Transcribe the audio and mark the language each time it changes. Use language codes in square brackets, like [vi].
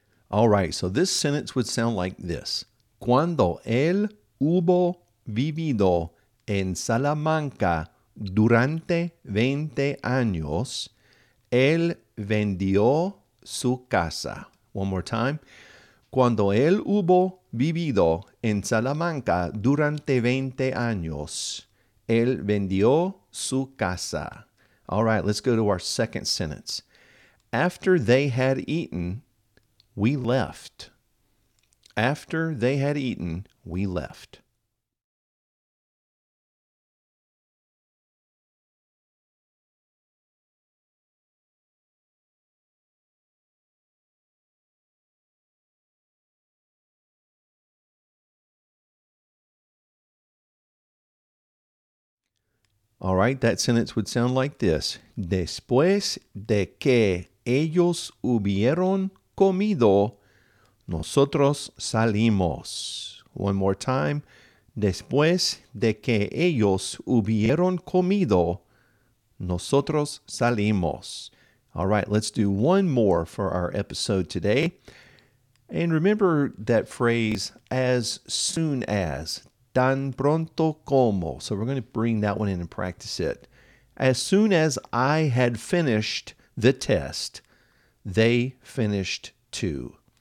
[en] All right, so this sentence would sound like this. [es] Cuando él hubo vivido en Salamanca durante 20 años, él vendió su casa. [en] One more time. [es] Cuando él hubo vivido en Salamanca durante 20 años, él vendió su casa. [en] All right, let's go to our second sentence. After they had eaten, we left. After they had eaten, we left. All right, that sentence would sound like this. [es] Después de que ellos hubieron comido, nosotros salimos. [en] One more time. [es] Después de que ellos hubieron comido, nosotros salimos. [en] All right, let's do one more for our episode today. And remember that phrase, as soon as, [es] tan pronto como. [en] So we're going to bring that one in and practice it. As soon as I had finished the test, they finished too.